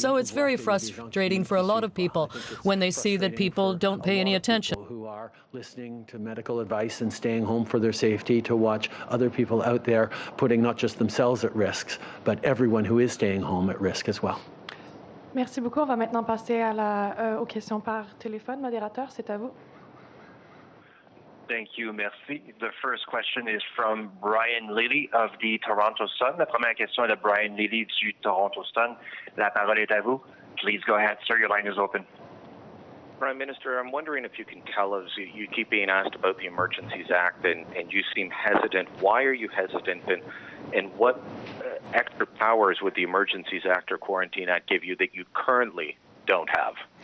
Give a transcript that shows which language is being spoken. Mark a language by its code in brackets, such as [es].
[en] So it's very frustrating for a lot of people when they see that people don't pay any attention. Listening to medical advice and staying home for their safety, to watch other people out there putting not just themselves at risk, but everyone who is staying home at risk as well. [fr] Merci beaucoup. On va maintenant passer à la, aux questions par téléphone. Modérateur, c'est à vous. [en] Thank you. [fr] Merci. [en] The first question is from Brian Lilly of the Toronto Sun. [fr] La première question est de Brian Lilly du Toronto Sun. La parole est à vous. [en] Please go ahead, sir. Your line is open. Prime Minister, I'm wondering if you can tell us, you keep being asked about the Emergencies Act and you seem hesitant. Why are you hesitant, and what extra powers would the Emergencies Act or Quarantine Act give you that you currently don't have?